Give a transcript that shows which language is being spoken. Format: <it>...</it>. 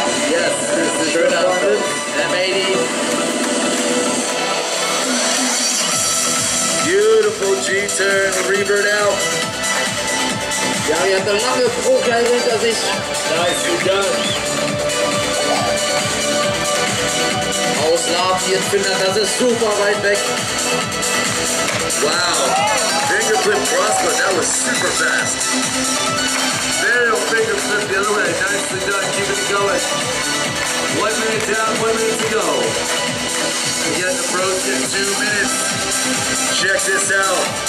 <en>Yes, this is your outfit, M80. Beautiful G-turn, revert out. Yeah, we have the longest full guys into this. Nice, good job.</en> <de>Auslauf, jetzt bin ich, das ist super weit weg.</de> <en>Wow, fingerflip crossbow, that was super fast. Varial fingerflip the other way, nicely done, keep it going. 1 minute down, 1 minute to go. We're getting approaching 2 minutes. Check this out.</en>